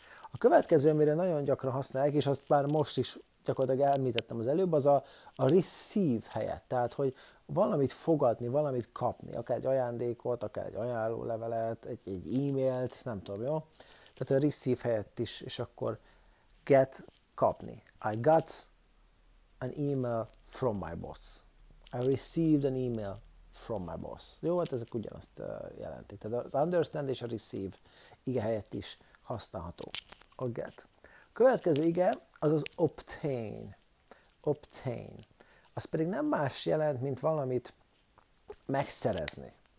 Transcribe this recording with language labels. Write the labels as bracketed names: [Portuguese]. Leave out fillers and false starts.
[Hungarian] A következő, amire nagyon gyakran használják, és azt már most is gyakorlatilag elmítettem az előbb, az a receive helyett. Tehát, hogy valamit fogadni, valamit kapni. Akár egy ajándékot, akár egy ajánlólevelet, egy e-mailt, nem tudom, jó? Tehát a receive helyett is, és akkor get, kapni. [English] I got an email from my boss. I received an email from my boss. [Hungarian] Jó, hát ezek ugyanazt jelentik. Tehát az understand és a receive ige helyett is használható a get. A következő ige az az obtain. Obtain. Az pedig nem más jelent, mint valamit megszerezni.